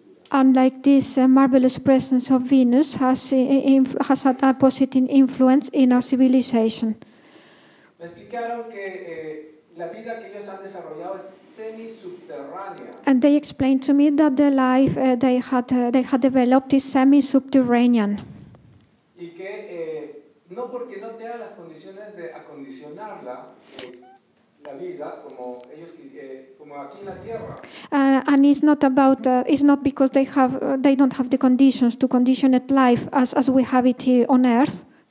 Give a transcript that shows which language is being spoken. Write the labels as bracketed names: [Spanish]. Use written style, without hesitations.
[English] Unlike this marvelous presence of Venus has had a positive influence in our civilization. [Spanish] Me explicaron que la vida que ellos han desarrollado es semi-subterránea. [English] And they explained to me that the life they had developed is semi-subterranean. [Spanish] Y que no porque no tengan las condiciones de acondicionarla. [English] And it's not about it's not because they have they don't have the conditions to condition it life as we have it here on Earth.